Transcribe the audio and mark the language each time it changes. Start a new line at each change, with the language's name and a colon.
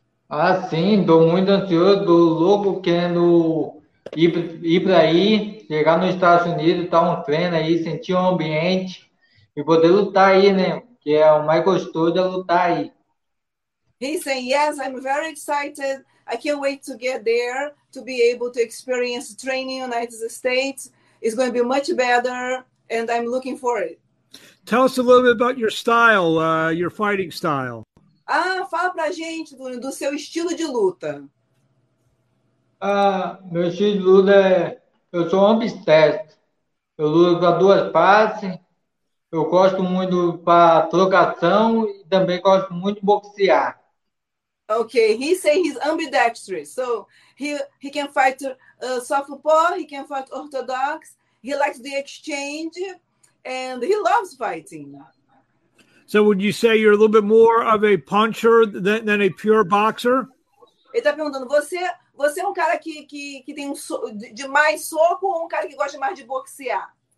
Portuguese: Ah, sim, tô muito ansioso, tô louco querendo ir para aí, chegar nos Estados Unidos, dar um treino aí, sentir um ambiente e poder lutar aí, né? Que é o mais gostoso de lutar aí.
English: He said, yes, I'm very excited. I can't wait to get there to be able to experience training in the United States. It's going to be much better and I'm looking for it. Tell us a little bit about your style, your fighting style.
Portuguese: Fala pra gente do seu estilo de luta. Meu estilo de luta eu sou ambidestro. Eu luto com duas partes. Eu gosto muito para trocação e também gosto muito de boxear.
English: Okay, he says he's ambidextrous. So he can fight southpaw, he can fight orthodox. He likes the exchange and he loves fighting. So would you say you're a little bit more of a puncher than a pure boxer?
Portuguese: Ele tá perguntando, você é um cara que tem de mais soco ou um cara que gosta mais de boxear?